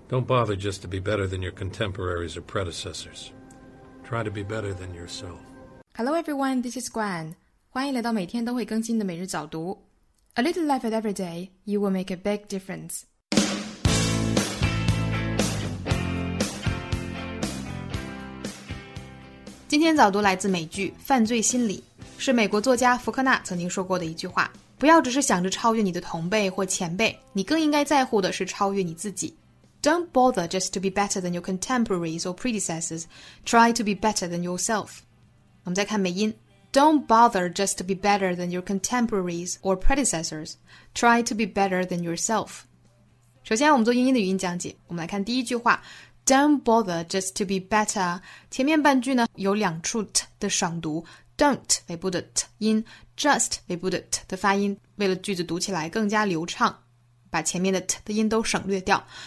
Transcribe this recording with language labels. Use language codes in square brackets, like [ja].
[en] Don't bother just to be better than your contemporaries or predecessors. Try to be better than yourself. Hello everyone, this is Gwen. [zh] 欢迎来到每天都会更新的每日早读。 [en] A little effort every day, you will make a big difference. [zh] 今天早读来自美剧《犯罪心理》，是美国作家福克纳曾经说过的一句话：不要只是想着超越你的同辈或前辈，你更应该在乎的是超越你自己。 [en] Don't bother just to be better than your contemporaries or predecessors. Try to be better than yourself. [zh] 我们再看美音。 [en] Don't bother just to be better than your contemporaries or predecessors. Try to be better than yourself. [zh] 首先我们做英音的语音讲解。我们来看第一句话。 [en] Don't bother just to be better. [zh] 前面半句呢有两处 t 的爽读。 Don't 尾部的 t 音。Just 尾部的 t 的发音。为了句子读起来更加流畅。把前面的 t 的音都省略掉。